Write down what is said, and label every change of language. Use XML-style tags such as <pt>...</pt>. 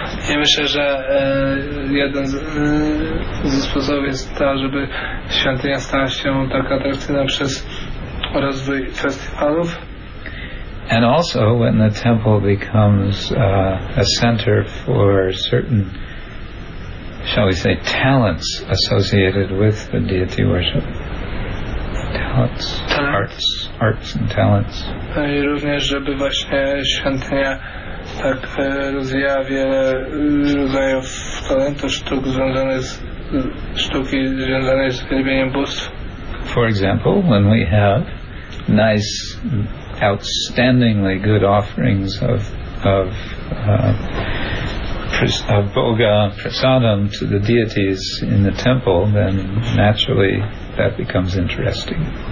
<pl>Ja myślę, że jeden ze sposobów jest to, żeby świątynia stała się tak atrakcyjna przez rozwój festiwalów.</pl> <en>And also when the temple becomes a center for certain, shall we say, talents associated with the deity worship. Talents, arts and talents.</en> <pl>I również, żeby właśnie świątynia tak rozwijała wiele rodzajów talentów, sztuk związanych z sztuki związanej z wielbieniem bóstw.</pl> <en>For example, when we have nice, outstandingly good offerings of boga prasadam to the deities in the temple, then naturally that becomes interesting.</en>